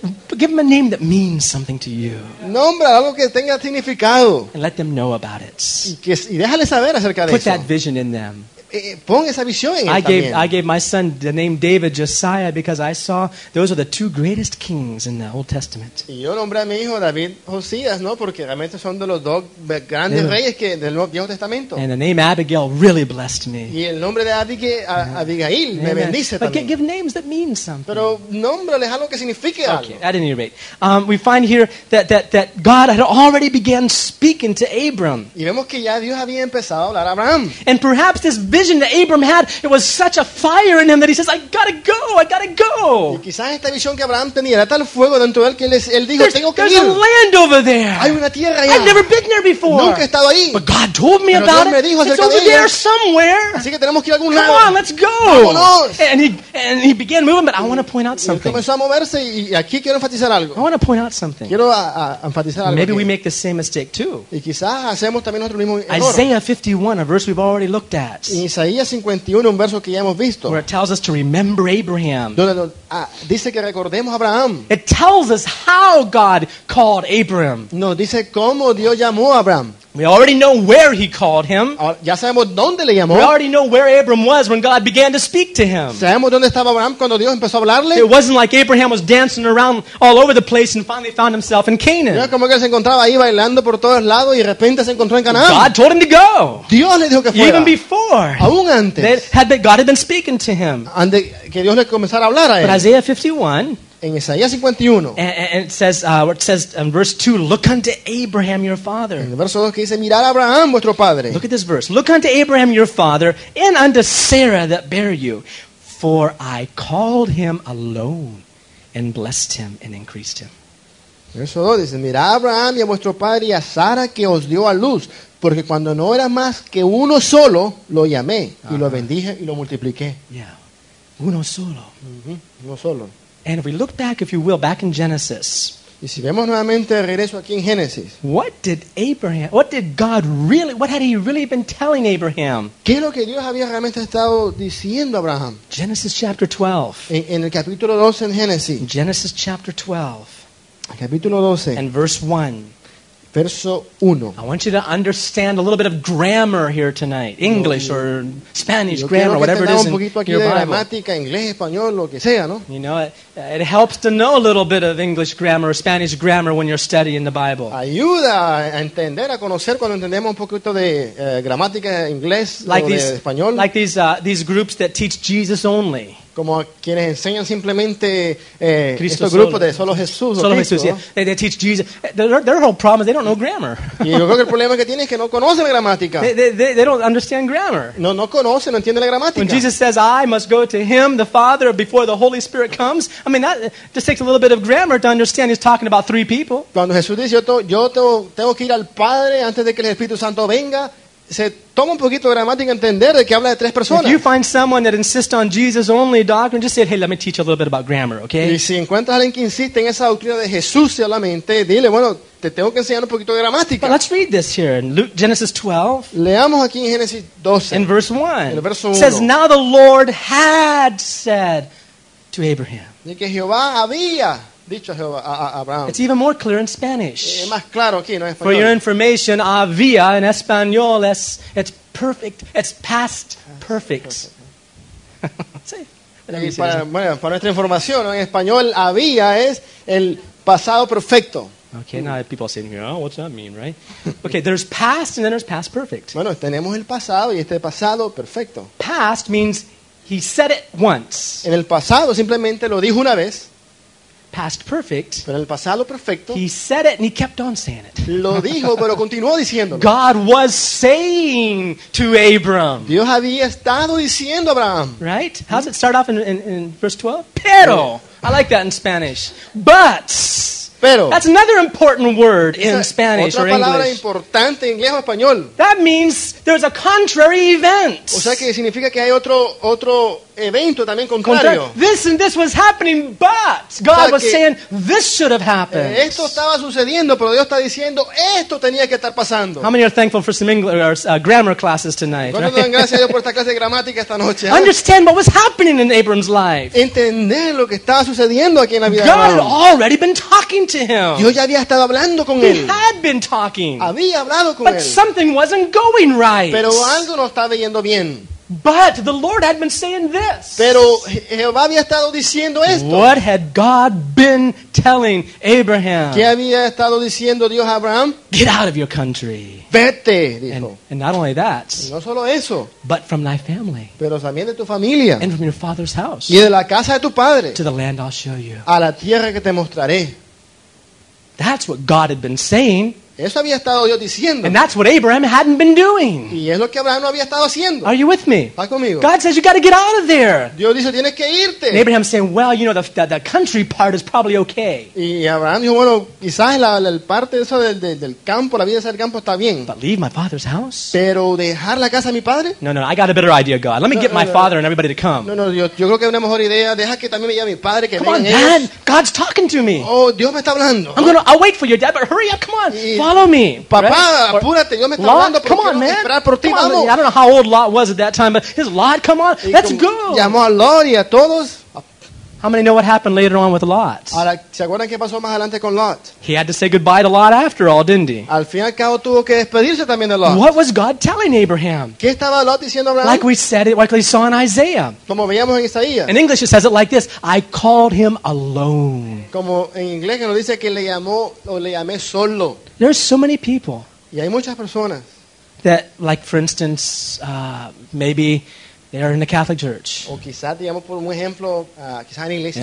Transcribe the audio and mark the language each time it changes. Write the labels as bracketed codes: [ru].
[en] Give them a name that means something to you. [es] Nombra algo que tenga significado. [en] And let them know about it. [es] Y déjale saber acerca de eso. [en] Put that vision in them. [es] Pon esa visión en él también. [en] I gave my son the name David Josiah because I saw those are the two greatest kings in the Old Testament. [es] Y yo nombré a mi hijo David Josías, ¿no? Porque realmente son de los dos grandes reyes que del Viejo Testamento. [en] And the name Abigail really blessed me. [es] Y el nombre de Abigail me bendice también. [en] But give names that mean something. [es] Pero nómbrales algo que signifique algo. [en] Okay, at any rate, we find here that God had already began speaking to Abram. [es] Y vemos que ya Dios había empezado a hablar a Abraham. [en] And perhaps this vision vision that Abram had, it was such a fire in him that he says, I gotta go. [es] Y quizás esta visión que Abraham tenía era tal fuego dentro de él que él dijo, tengo que ir. [en] There's a land over there. [es] Hay una tierra allá. [en] I've never been there before. [es] Nunca he estado ahí. [en] But God told me about it. [es] Pero Dios me dijo acerca de ella. [en] It's over there somewhere. [es] Así que tenemos que ir a algún lado. [en] Come on, let's go. And he began moving, but I want to point out something. [es] Comenzó a moverse y aquí quiero enfatizar algo. [en] I want to point out something. [es] Quiero enfatizar algo. [en] Maybe we make the same mistake too. [es] Y quizás hacemos también nosotros mismo error. [en] Isaiah 51, a verse we've already looked at. [es] Isaías 51, un verso que ya hemos visto. [en] Where it tells us to remember Abraham. [es] Dice que recordemos a Abraham. [en] It tells us how God called Abraham. [es] No, dice cómo Dios llamó a Abraham. [en] We already know where he called him. [es] Ya sabemos dónde le llamó. [en] We already know where Abram was when God began to speak to him. [es] Sabemos dónde estaba Abraham cuando Dios empezó a hablarle. [en] It wasn't like Abraham was dancing around all over the place and finally found himself in Canaan. [es] No, como que se encontraba ahí bailando por todos lados y de repente se encontró en Canaán. [en] God told him to go. [es] Dios le dijo que fuera. [en] Even before. [es] Aún antes. [en] God had been speaking to him. [es] Antes que Dios le comenzara a hablar a él. [en] But Isaiah 51. [es] En Isaías 51. [en] And it says in verse 2, look unto Abraham your father. [es] En el verso 2 que dice, mirad a Abraham vuestro padre. [en] Look at this verse. Look unto Abraham your father and unto Sarah that bare you, for I called him alone and blessed him and increased him. [es] Verso 2 dice, mirad a Abraham y a vuestro padre y a Sara que os dio a luz, porque cuando no era más que uno solo, lo llamé y lo bendije y lo multipliqué. [en] Yeah. [es] Uno solo. Uno solo. [en] And if we look back, if you will, back in Genesis. [es] Y si vemos nuevamente el regreso aquí en Génesis. [en] What did Abraham, what did God really, what had he really been telling Abraham? [es] ¿Qué es lo que Dios había realmente estado diciendo a Abraham? [en] Genesis chapter 12. [es] En el capítulo 12 en Génesis. [en] Genesis chapter 12. [es] Capítulo 12. [en] And verse 1. [es] Verso 1. [en] I want you to understand a little bit of grammar here tonight. English or Spanish grammar, whatever it is in your Bible. [es] Un poquito aquí de gramática, inglés, español, lo que sea, ¿no? [en] You know, it helps to know a little bit of English grammar or Spanish grammar when you're studying the Bible. [es] Ayuda a entender, a conocer cuando entendemos un poquito de gramática inglés [en] like [es] o [en] these, [es] de español. [en] Like these groups that teach Jesus only. [es] Como quienes enseñan simplemente estos grupos de solo Jesús. Solo Cristo, Jesús, ¿no? [en] Yeah. They teach Jesus. Their whole problem is they don't know grammar. [es] Y yo creo que el problema que tienen es que no conocen la gramática. [en] They don't understand grammar. [es] No conocen, no entienden la gramática. [en] When Jesus says, I must go to him, the Father, before the Holy Spirit comes, I mean, that just takes a little bit of grammar to understand he's talking about three people. [es] Cuando Jesús dice, yo tengo que ir al Padre antes de que el Espíritu Santo venga, se toma un poquito de gramática entender de que habla de tres personas. [en] If you find someone that insists on Jesus only doctrine, just say, hey, let me teach you a little bit about grammar, okay? [es] Y si encuentras a alguien que insiste en esa doctrina de Jesús solamente, dile, bueno, te tengo que enseñar un poquito de gramática. [en] But let's read this here in Genesis 12. [es] Leamos aquí en Génesis 12. [en] In verse 1. [es] En el verso 1. [en] It says, now the Lord had said to Abraham. [es] Y que Jehová había dicho a Abraham. [en] It's even more clear in Spanish. [es] Más claro aquí, ¿no? Español. [en] For your information, [es] había en español es, [en] it's perfect, it's past perfect. [es] Sí. Para nuestra información, ¿no? En español, había es el pasado perfecto. [en] Okay, now people sitting here, oh, what's that mean, right? Okay, there's past and then there's past perfect. [es] Bueno, tenemos el pasado y este pasado perfecto. [en] Past means he said it once. [es] En el pasado simplemente lo dijo una vez. [en] Past perfect. [es] Pero el pasado perfecto. [en] He said it and he kept on saying it. [es] Lo dijo, pero continuó diciéndolo. [en] God was saying to Abram. [es] Dios había estado diciendo a Abraham. [en] Right? How does it start off in verse 12? Pero. I like that in Spanish. But. [es] Pero. [en] That's another important word in Spanish [es] otra [en] or English. [es] Palabra importante en inglés o español. [en] That means there's a contrary event. [es] O sea que significa que hay otro evento también contrario. [en] This and this was happening, but God was saying this should have happened. [es] Esto estaba sucediendo, pero Dios está diciendo esto tenía que estar pasando. [en] How many are thankful for some English grammar classes tonight? [es] ¿Cuántos dan gracias a Dios por esta clase de gramática esta noche? [en] Understand what was happening in Abram's life. [es] Entender lo que estaba sucediendo aquí en la vida de [en] Abraham. God had already been talking to him. [es] Dios ya había estado hablando con él. [en] He had been talking. [es] Había hablado con él. [en] But something wasn't going right. [es] Pero algo no estaba yendo bien. [en] But the Lord had been saying this. [es] Pero Jehová había estado diciendo esto. [en] What had God been telling Abraham? [es] ¿Qué había estado diciendo Dios a Abraham? [en] Get out of your country. [es] Vete, dijo. [en] And not only that. [es] No solo eso. [en] But from thy family. [es] Pero también de tu familia. [en] And from your father's house. [es] Y de la casa de tu padre. [en] To the land I'll show you. [es] A la tierra que te mostraré. [en] That's what God had been saying. [es] Eso había estado yo diciendo. [en] And that's what Abraham hadn't been doing. [es] Y es lo que Abraham no había estado haciendo. [en] Are you with me? [es] ¿Va conmigo? [en] God says, you got to get out of there. [es] Dios dice, tienes que irte. [en] And Abraham's saying, well, you know, the country part is probably okay. [es] Y Abraham dijo, bueno, quizás la parte eso del campo, la vida del campo está bien. [en] But leave my father's house? [es] Pero dejar la casa de mi padre? [en] No, I got a better idea, God. Let me get my father and everybody to come. [es] No, yo creo que es una mejor idea. Deja que también me llame mi padre, que [en] come [es] vengan [en] on, [es] ellos. [en] Dad, God's talking to me. [es] Oh, Dios me está hablando. [en] I'm gonna, I'll wait for your dad, but hurry up, come on. Follow me. [es] Papá, [en] right? [es] Apúrate, yo me estoy hablando, [en] come on, man. [es] Esperar por ti, [en] come [es] vamos. [en] On, I don't know how old Lot was at that time, but his Lot, come on, let's go. [es] Llamó a Lot y a todos. [en] How many know what happened later on with Lot? [es] Ahora, ¿se acuerdan qué pasó más adelante con Lot? [en] He had to say goodbye to Lot after all, didn't he? [es] Al fin y al cabo tuvo que despedirse también de Lot. [en] What was God telling Abraham? [es] ¿Qué estaba Lot diciendo a Abraham? [en] Like we said it, like we saw in Isaiah. [es] Como veíamos en Isaías. [en] In English it says it like this, I called him alone. [es] Como en inglés que nos dice que le llamó o le llamé solo. [en] There are so many people. [es] Y hay muchas personas. [en] That, like for instance, maybe they are in the Catholic Church. [es] O quizás digamos por un ejemplo, quizás en la iglesia.